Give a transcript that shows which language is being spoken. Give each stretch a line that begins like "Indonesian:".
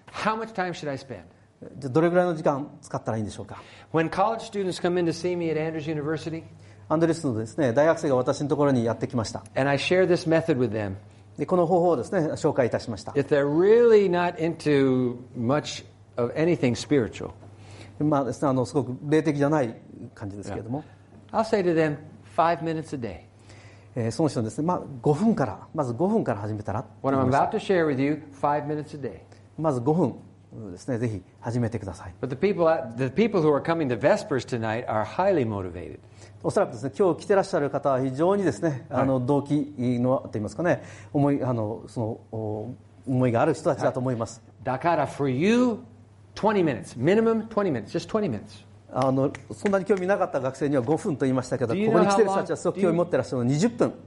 English: How much time should I spend?
Japanese: じゃあどれぐらいの時間使ったらいいんでしょうか。
English: When college students come in to see me at Andrews University,
Japanese: アンドリスのですね、大学生が私のところにやってきました。
English: And I share this method with them.
Japanese: で、この方法をですね、紹介いたしました。
English: If they're really not into much of anything spiritual.
Japanese: まあですね、すごく霊的じゃない感じですけれども。
English: Yeah. I'll say to them, 5 minutes a day.
Japanese: その人ですね、まあ5分から、まず5分から始めたら。
English: What I'm about to share with you, 5 minutes a day.
Japanese: まず5分ですね、ぜひ始めてください。
English: But the people who are coming to Vespers tonight are highly motivated.
Japanese: おそらくですね、今日来てらっしゃる方は非常にですね、動機のと言いますかね、思い、その思いがある人たちだと思います。だから
English: for you 20 minutes minimum 20 minutes just 20 minutes
Japanese: そんなに興味なかった学生には5分と言いましたけど、ここに来てる人たちはすごく興味持ってらっしゃるので20分